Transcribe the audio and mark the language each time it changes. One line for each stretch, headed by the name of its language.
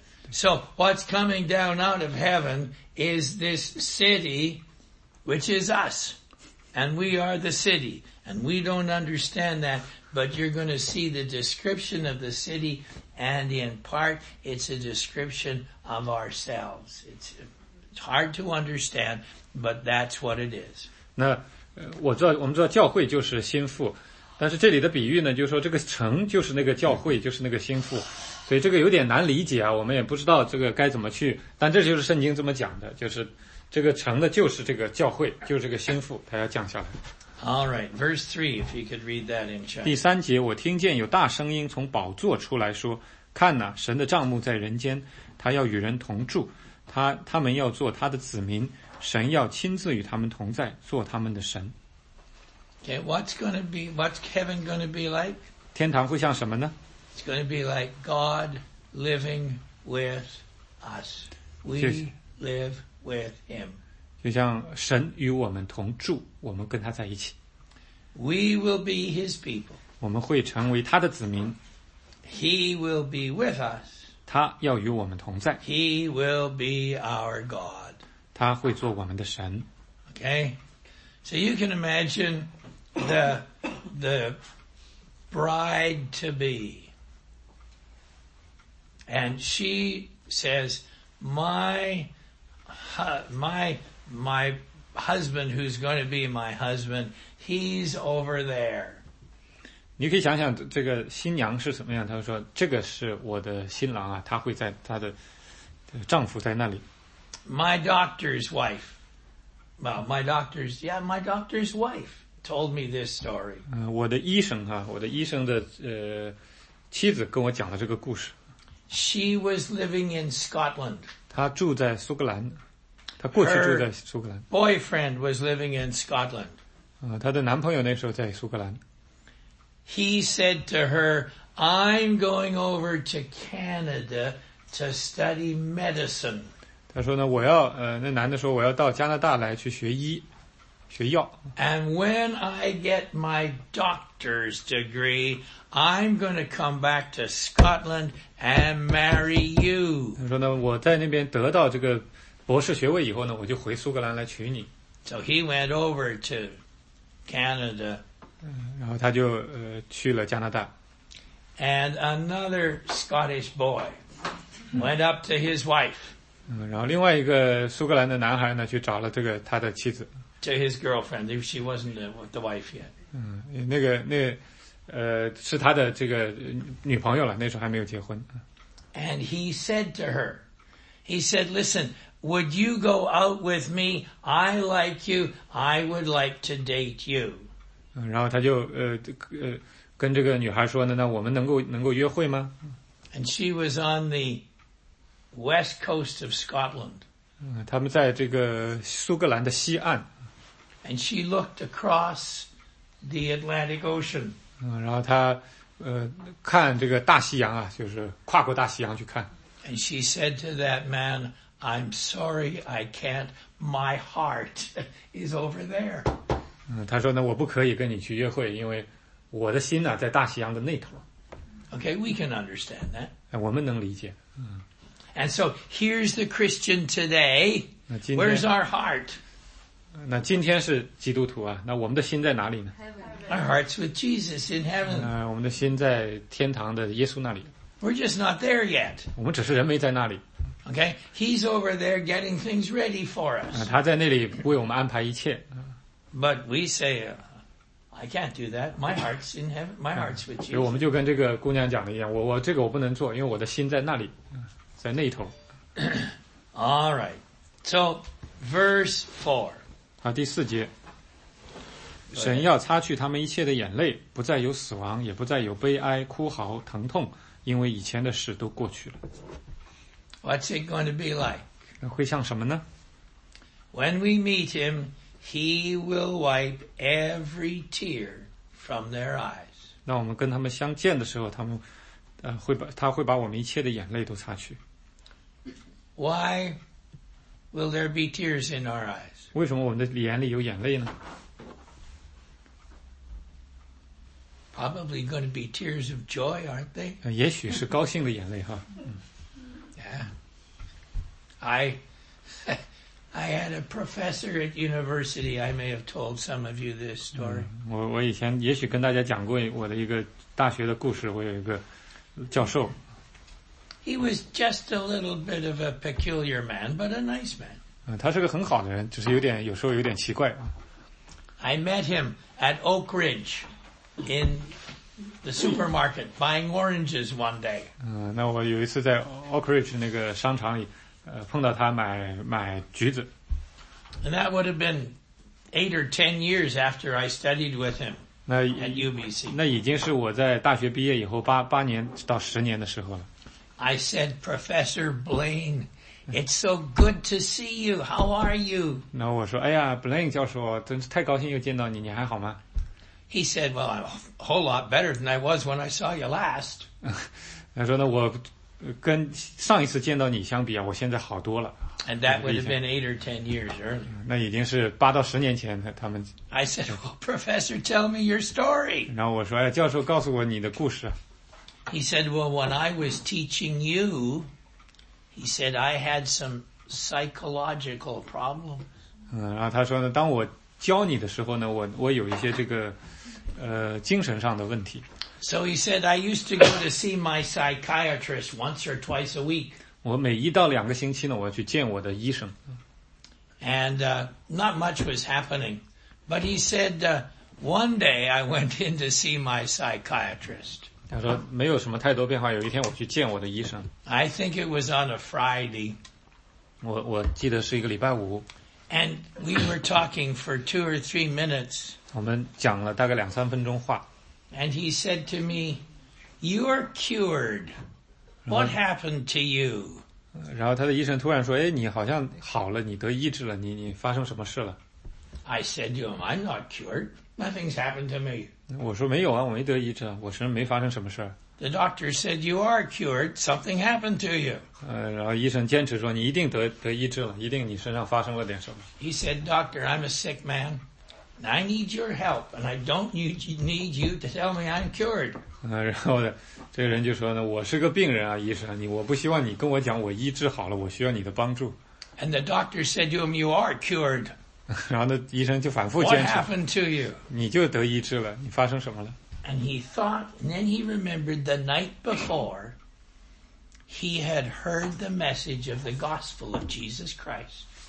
English: So what's coming down out of heaven is this city, which is us, and we are the city, and we don't understand that. But you're going to see the description of the city. And in part, it's a description of ourselves. It's hard to understand, but that's what it is.
Chinese: 那我们知道教会就是心腹，但是这里的比喻呢，就是说这个城就是那个教会，就是那个心腹，所以这个有点难理解啊，我们也不知道这个该怎么去，但这就是圣经这么讲的，就是这个城的就是这个教会，就是这个心腹，它要降下来。
English: All right, verse 3, if you could read that in Chinese.
Chinese: 第三节，我听见有大声音从宝座出来说，看哪，神的帐幕在人间，他要与人同住，他们要做他的子民，神要亲自与他们同在，做他们的神。
English: Okay, what's heaven going to be like?
Chinese: 天堂会像什么呢？
English: It's going to be like God living with us. We live with him.
Chinese: 就像神与我们同住，我们跟他在一起。
English: We will be his people.
Chinese: 我们会成为他的子民。
English: He will be with us.
Chinese: 他要与我们同在。
English: He will be our God.
Chinese: 他会做我们的神。
English: Okay? So you can imagine the bride-to-be. And she says, my husband who's going to be my husband, he's over there.
Chinese: 你可以想想这个新娘是怎么样，她说这个是我的新郎啊，她会在她的丈夫在那里。
English: My doctor's wife. Well, my doctor's wife told me this story.
Chinese: 我的医生啊，我的医生的妻子跟我讲了这个故事。
English: She was living in Scotland.
Chinese: 她住在苏格兰。她过去住在苏格兰。
English: Her boyfriend was living in Scotland.
Chinese: 她的男朋友那时候在苏格兰。
English: He said to her, I'm going over to Canada to study medicine.
Chinese: 他说呢，我要那男的说我要到加拿大来去学医，学药。
English: And when I get my doctor's degree, I'm going to come back to Scotland and marry you.
Chinese: 他说呢，我在那边得到这个博士学位以后呢，我就回苏格兰来娶你。
English: So he went over to Canada.
Chinese: 然后他就去了加拿大。
English: And another Scottish boy went up to his wife.
Chinese: 然后另外一个苏格兰的男孩呢，去找了这个他的妻子。
English: To his girlfriend, she wasn't the wife yet.
Chinese: 是他的这个女朋友了，那时候还没有结婚。
English: And he said to her, he said, listen, would you go out with me? I like you. I would like to date you.
Chinese: 然后他就跟这个女孩说呢，那我们能够约会吗？
English: And she was on the west coast of Scotland.
Chinese: 他们在这个苏格兰的西岸。
English: And she looked across the Atlantic Ocean.
Chinese: 然后他看这个大西洋啊，就是跨过大西洋去看。
English: And she said to that man, I'm sorry, I can't. My heart is over there.
Chinese: 他说呢，我不可以跟你去约会，因为我的心呢、在大西洋的那头。
English: Okay, we can understand that.
Chinese: 我们能理解。
English: And so here's the Christian today. Where's our heart?
Chinese: 那今天是基督徒啊，那我们的心在哪里呢？
English: Our hearts with Jesus in heaven.
Chinese: 我们的心在天堂的耶稣那里。
English: We're just not there yet.
Chinese: 我们只是人没在那里。
English: Okay, he's over there getting things ready for us.
Chinese: 他在那里为我们安排一切。
English: But we say, I can't do that. My heart's in heaven. My heart's with Jesus.
Chinese: 我们就跟这个姑娘讲的一样，我这个我不能做，因为我的心在那里，在那头。
English: All right. So, verse 4.
Chinese: 好，第四节，神要擦去他们一切的眼泪，不再有死亡，也不再有悲哀、哭嚎、疼痛，因为以前的事都过去了。
English: What's it going to be like?
Chinese: 会像什么呢？
English: When we meet him, he will wipe every tear from their eyes.
Chinese: 那我们跟他们相见的时候，他会把我们一切的眼泪都擦去。
English: Why will there be tears in our eyes?
Chinese: 为什么我们的眼里有眼泪呢？
English: Probably going to be tears of joy, aren't they?
Chinese: 也许是高兴的眼泪哈。
English: Yeah. I had a professor at university. I may have told some of you this story.
Chinese: 我以前也许跟大家讲过我的一个大学的故事。我有一个教授。
English: He was just a little bit of a peculiar man, but a nice man.
Chinese: 他是个很好的人，只是有点有时候有点奇怪。
English: I met him at Oak Ridge in the supermarket buying oranges one day.
Chinese: 那我有一次在 Oak Ridge 那个商场里碰到他买橘子。
English: And that would have been 8 or 10 years after I studied with him at UBC.
Chinese: 那已经是我在大学毕业以后八年到十年的时候了。
English: I said, Professor Blaine,It's so good to see you. How are you?
Chinese: 然后我说，哎呀 ，Blaine 教授，真是太高兴又见到你，你还好吗
English: ？He said, "Well, I'm a whole lot better than I was when I saw you last."
Chinese: 他说呢，我跟上一次见到你相比啊，我现在好多了。
English: And that would have been 8 or 10 years earlier.
Chinese: 那已经是八到十年前他们。
English: I said, well, Professor, tell me your story.
Chinese: 然后我说，哎，教授告诉我你的故事。
English: He said, well, when I was teaching you, he said, I had some psychological problem.
Chinese: 嗯，然后他说呢，当我教你的时候呢，我有一些这个精神上的问题。
English: So he said, I used to go to see my psychiatrist once or twice a week.
Chinese: 我每一到两个星期呢，我去见我的医生。
English: And not much was happening. But he said, one day I went in to see my psychiatrist.
Chinese: 他说没有什么太多变化，有一天我去见我的医生。
English: I think it was on a Friday.
Chinese: 我记得是一个礼拜五。
English: And we were talking for 2 or 3 minutes.
Chinese: 我们讲了大概两三分钟话。
English: And he said to me, you are cured. What happened to you?
Chinese: 然后他的医生突然说，哎，你好像好了，你得医治了，你发生什么事了？
English: I said to him, I'm not cured. Nothing's happened to me.
Chinese: 我说没有啊，我没得医治，我身上没发生什么事。
English: The doctor said, you are cured. Something happened to you.
Chinese: 然后医生坚持说，你一定得医治了，一定你身上发生了点什么。
English: He said, doctor, I'm a sick man. I need your help, and I don't need you to tell me I'm cured.
Chinese: 然后这个人就说呢，我是个病人啊，医生，我不希望你跟我讲我医治好了，我需要你的帮助。
English: And the doctor said to him, you are cured.
Chinese: 然后呢，医生就反复坚持。
English: What happened to you?
Chinese: 你就得医治了，你发生什么了？
English: And he thought, and then he remembered the night before, he had heard the message of the gospel of Jesus Christ.